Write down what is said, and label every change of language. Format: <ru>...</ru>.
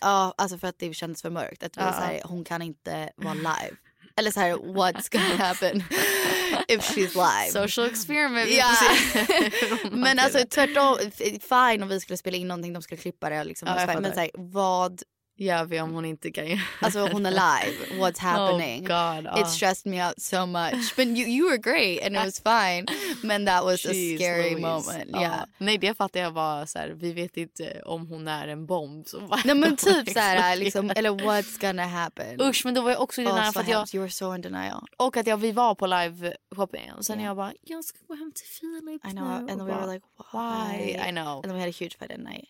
<sv>Ja, alltså för att det kändes för mörkt. Att så här, hon kan inte vara live. Eller så här,</sv> <en>what's gonna happen if she's live? Social experiment. Yeah.</en> <sv>Men alltså, tvärtom, fine om vi skulle spela in någonting, de skulle klippa det. Liksom, ja, och men så här, vad gör vi om hon inte kan göra? Alltså, hon är live.</sv> <en>What's happening? Oh, God. It stressed me out so much. But you were great, and it was fine. Men that was jeez, a scary Louise. Moment. Yeah.</en> <sv>Nej, det fattar jag var så här, vi vet inte om hon är en bomb. Så nej, men typ så här, liksom, eller</sv> <en>what's gonna happen?</en> <sv>Usch, men då var jag också i denial.</sv> <en>Oh, so you were so in denial.</en> <sv>Och att vi var på live shopping. Sen jag bara, jag ska gå hem till Philip.</sv> <en>I know, and then we were like, why? I know. And then we had a huge fight at night.</en>